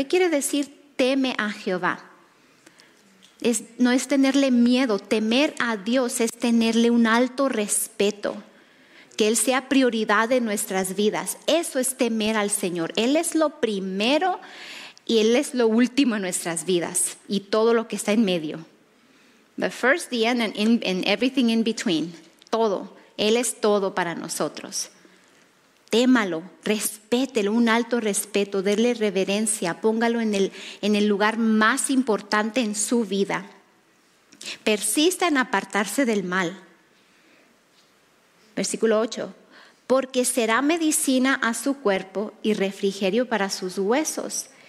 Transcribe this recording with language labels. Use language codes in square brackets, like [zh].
[es] ¿Qué quiere decir teme a Jehová? No es tenerle miedo, temer a Dios es tenerle un alto respeto, que Él sea prioridad en nuestras vidas. Eso es temer al Señor. Él es lo primero y Él es lo último en nuestras vidas y todo lo que está en medio. [en] The first, the end, and everything in between. [es] Todo, Él es todo para nosotros. Témalo, respételo, un alto respeto, déle reverencia, póngalo en el lugar más importante en su vida. Persista en apartarse del mal. Versículo 8, porque será medicina a su cuerpo y refrigerio para sus huesos.